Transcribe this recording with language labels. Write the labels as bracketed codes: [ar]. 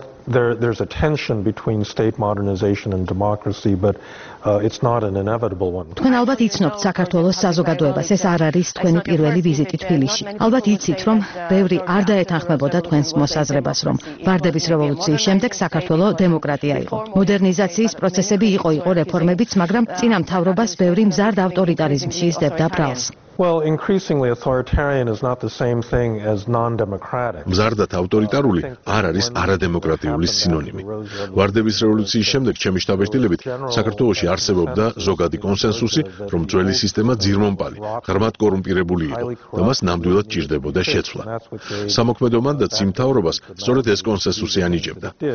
[en] There's a tension between state modernization and democracy, but it's not an inevitable one. [ka] თქვენ ალბათ იცნობთ საქართველოს საზოგადოებას, ეს არ არის თქვენი პირველი ვიზიტი თბილისში. ალბათ იცით, რომ ბევრი არ დაეთანხმებოდა თქვენს მოსაზრებას, რომ ვარდების რევოლუციის შემდეგ საქართველო დემოკრატია იყო. მოდერნიზაციის პროცესები იყო რეფორმებიც, მაგრამ წინა მთავრობას ბევრი მზარდ ავტორიტარიზმში ისდებდა ბრალს. [en] Well, increasingly authoritarian is not the same thing as non-democratic. [ka] მზარდად ავტორიტარული არ არის არადემოკრატიული სინონიმი. ვარდების რევოლუციის შემდეგ ჩემი შტაბეშტილებით საქართველოში არსებობდა ზოგადი კონსენსუსი, რომ ძველი სისტემა ძირმომპალი, ღრმად კორუმპირებული იყო და მას ნამდვილად ჭირდებოდა შეცვლა. სამოქმედო მანდატს იმთავრობას სწორედ ეს კონსენსუსი ანიჭებდა.